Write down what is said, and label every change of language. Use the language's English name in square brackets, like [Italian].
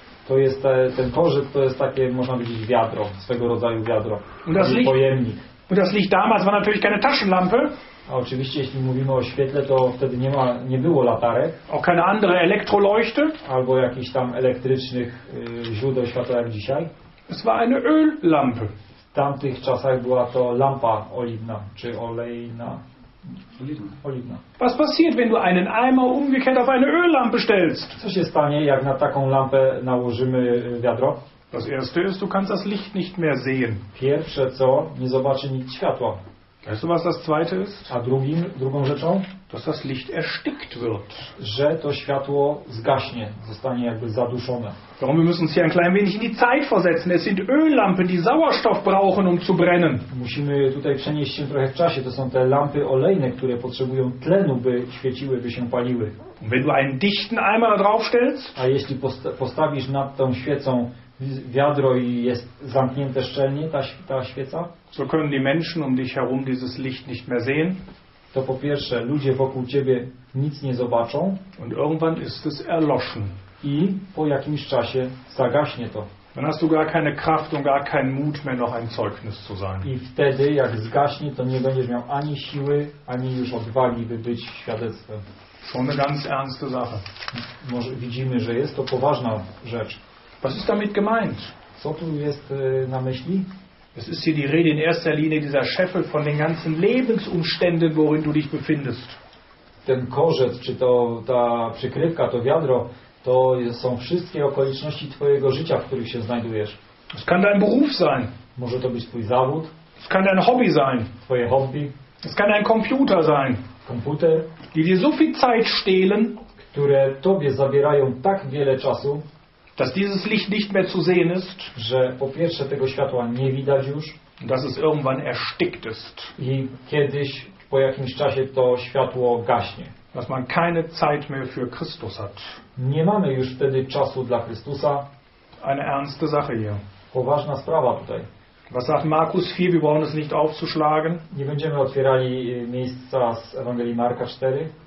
[Polish] To jest ten korzyk, to jest takie, można powiedzieć, wiadro, swego rodzaju wiadro. [German] Und das Licht, [Polish] pojemnik. [German] Und das Licht damals war natürlich keine Taschenlampe. [Polish] A oczywiście, jeśli mówimy o świetle, to wtedy nie było latarek. [German] O keine andere Elektroleuchte. [Polish] Albo jakichś tam elektrycznych źródeł światła jak dzisiaj. [German] Es war eine Öllampe. [Polish] W tamtych czasach była to lampa oliwna, czy olejna. Oliwna. [German] Was passiert, wenn du einen Eimer umgekehrt auf eine Öllampe stellst? [Polish] Co się stanie, jak na taką lampę nałożymy wiadro? [German] Das erste ist, du kannst das Licht nicht mehr sehen. [Polish] Pierwsze co, nie zobaczy nikt światła. [German] Weißt du, was das zweite ist? [Polish] A drugą rzeczą? [German] Dass das Licht erstickt wird. [Polish] Że to światło zgaśnie, zostanie jakby zaduszone. [German] Warum wir müssen uns hier ein klein wenig in die Zeit versetzen? Es sind Öllampen, die Sauerstoff brauchen, um zu brennen. [Polish] Musimy tutaj przenieść się trochę w czasie. To są te lampy olejne, które potrzebują tlenu, by świeciły, by się paliły. [German] Und wenn du einen dichten Eimer drauf stellst? [Polish] A jeśli postawisz nad tą świecą wiadro i jest zamknięte szczelnie ta świeca. [German] So können die Menschen um dich herum dieses Licht nicht mehr sehen. [Polish] To po pierwsze, ludzie wokół ciebie nic nie zobaczą. [German] Und irgendwann ist es erloschen. [Polish] I po jakimś czasie zagaśnie to. [German] Dann hast du gar keine Kraft und gar keinen Mut mehr, noch ein Zeugnis zu sein. [Polish] I wtedy, jak zgaśnie, to nie będziesz miał ani siły, ani już odwagi, by być świadectwem. [German] Schon eine ganz ernste Sache. [Polish] Może widzimy, że jest to poważna rzecz. [German] Was ist damit gemeint? [Polish] Co tu jest na myśli? [German] Es ist hier die Rede in erster Linie dieser Scheffel von den ganzen Lebensumständen, worin du dich befindest. [Polish] Ten korzec, czy to ta przykrywka, to wiadro, to są wszystkie okoliczności twojego życia, w których się znajdujesz. [German] Es kann dein Beruf sein. [Polish] Może to być twój zawód. [German] Es kann dein Hobby sein. [Polish] Twoje hobby. [German] Es kann dein Computer sein. [Polish] Komputer. [German] Die dir so viel Zeit stehlen. [Polish] Które tobie zabierają tak wiele czasu. [German] Dass dieses Licht nicht mehr zu sehen ist. [Polish] Że po pierwsze tego światła nie widać już. [German] Dass es irgendwann erstickt ist. [Polish] I kiedyś po jakimś czasie to światło gaśnie. [German] Dass man keine Zeit mehr für Christus hat. [Polish] Nie mamy już wtedy czasu dla Chrystusa. [German] Eine ernste Sache hier. [Polish] Poważna sprawa tutaj. [German] Was sagt Markus 4, wir brauchen es nicht aufzuschlagen. [Polish] Nie będziemy otwierali miejsca z Ewangelii Marka 4.